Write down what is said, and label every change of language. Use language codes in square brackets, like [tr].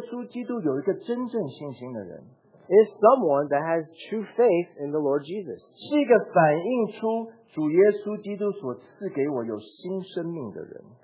[zh] 是一个对主耶稣基督有一个真正信心的人, [en] is someone that has true faith in the Lord Jesus, [zh] 是一个反映出主耶稣基督所赐给我有新生命的人。